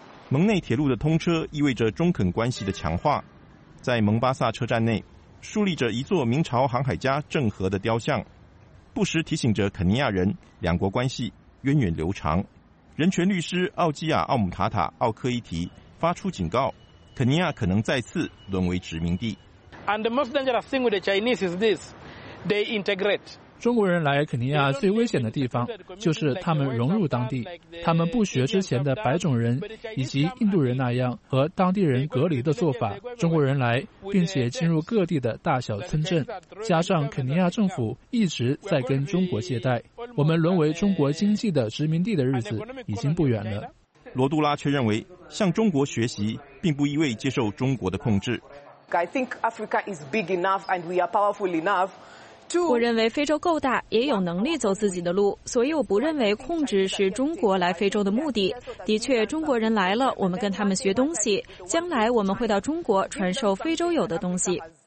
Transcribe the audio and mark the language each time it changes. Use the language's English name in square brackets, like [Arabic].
[Chinese] 蒙内铁路的通车意味着中肯关系的强化，在蒙巴萨车站内树立着一座明朝航海家郑和的雕像，不时提醒着肯尼亚人两国关系源远流长。人权律师奥基亚·奥姆塔塔·奥科伊提发出警告，肯尼亚可能再次沦为殖民地。 [English] And the most dangerous thing with the Chinese is this, they integrate. [Chinese] 中国人来肯尼亚最危险的地方就是他们融入当地，他们不学之前的白种人以及印度人那样和当地人隔离的做法。中国人来并且进入各地的大小村镇，加上肯尼亚政府一直在跟中国借贷，我们沦为中国经济的殖民地的日子已经不远了。罗杜拉却认为，向中国学习并不意味接受中国的控制。 [English] I think Africa is big enough and we are powerful enough. [Chinese] 我认为非洲够大，也有能力走自己的路，所以我不认为控制是中国来非洲的目的。的确，中国人来了，我们跟他们学东西，将来我们会到中国传授非洲有的东西。